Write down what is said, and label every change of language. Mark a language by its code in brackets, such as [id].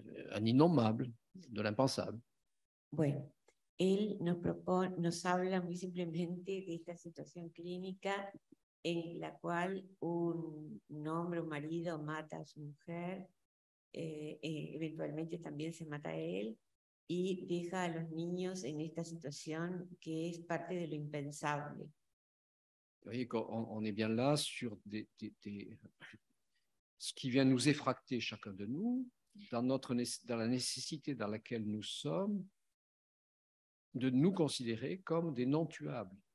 [fr] un innommable, de l'impensable. [es] Bueno, él nos habla muy simplemente de esta situación clínica en la cual un hombre, un marido, mata a su mujer, eventualmente también se mata a él, y deja a los niños en esta situación que es parte de lo impensable. [fr] Oye, on est bien là sur des... ce qui vient nous effracter chacun de nous, dans la nécessité dans laquelle nous sommes, de nous considérer comme des non-tuables.